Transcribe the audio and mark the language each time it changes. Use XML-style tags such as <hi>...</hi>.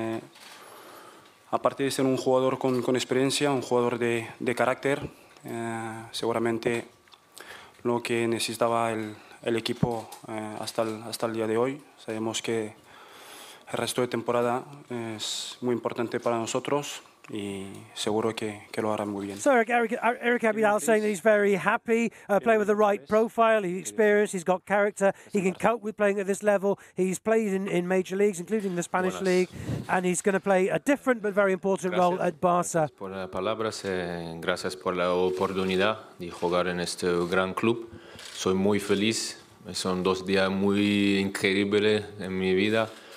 <es>Repito, aparte de ser un jugador con experiencia, un jugador de carácter, seguramente lo que necesitaba el equipo hasta el día de hoy. Sabemos que el resto de temporada es muy importante para nosotros y seguro que lo hará muy bien.</es> <en>So Eric Abidal saying that he's very happy, playing with the right profile, he's experienced, he's got character, he can cope with playing at this level. He's played in major leagues, including the Spanish league, and he's going to play a different but very important role at Barça.</en> <es>Gracias por las palabras, gracias por la oportunidad de jugar en este gran club. Soy muy feliz. Son dos días muy increíbles en mi vida.</es>